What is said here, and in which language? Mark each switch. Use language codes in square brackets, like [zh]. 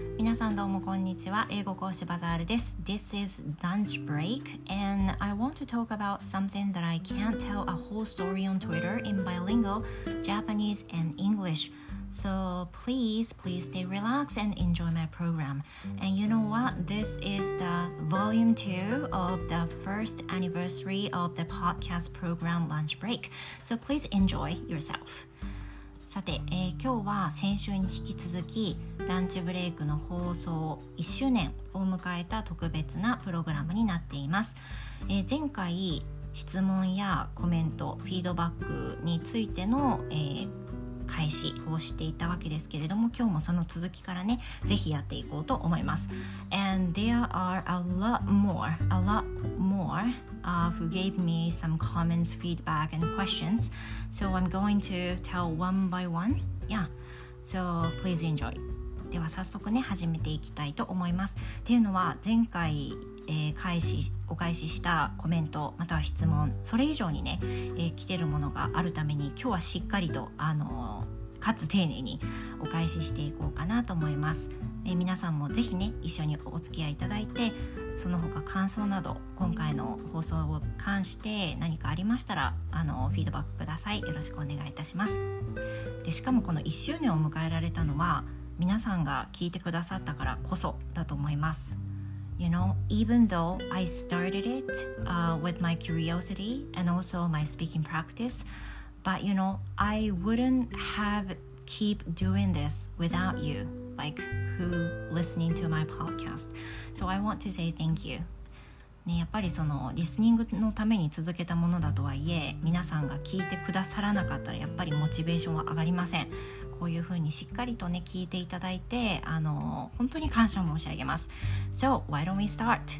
[ja] 皆さんどうもこんにちは。英語講師バザールです。 [en] This is lunch break and I want to talk about something that I can't tell a whole story on Twitter in bilingual, Japanese and English. So please, please stay relaxed and enjoy my program. And you know what? This is the volume 2 of the first anniversary of the podcast program Lunch Break. So please enjoy yourself. [ja] さて、今日は先週に引き続きランチブレイクの放送1周年を迎えた特別なプログラムになっています。前回質問やコメント、フィードバックについての、開始をしていたわけですけれども、今日もその続きからね、ぜひやっていこうと思います。 [en] And there are a lot more、 who gave me some comments, feedback and questions. So I'm going to tell one by one. Yeah, so please enjoy. [ja] では早速ね、始めていきたいと思います。っていうのは、前回お返ししたコメントまたは質問、それ以上にね、来てるものがあるために、今日はしっかりと、かつ丁寧にお返ししていこうかなと思います。皆さんもぜひね、一緒にお付き合いいただいて、その他感想など、今回の放送を関して何かありましたら、フィードバックください。よろしくお願いいたします。でしかもこの1周年を迎えられたのは、皆さんが聞いてくださったからこそだと思います。 [en] You know, even though I started it with my curiosity and also my speaking practice, but you know, I wouldn't have keep doing this without you, like who listening to my podcast. So I want to say thank you. [ja] ね、やっぱりそのリスニングのために続けたものだとはいえ、皆さんが聞いてくださらなかったらやっぱりモチベーションは上がりません。こういうふうにしっかりとね、聞いていただいて、本当に感謝申し上げます。 [en] So why don't we start?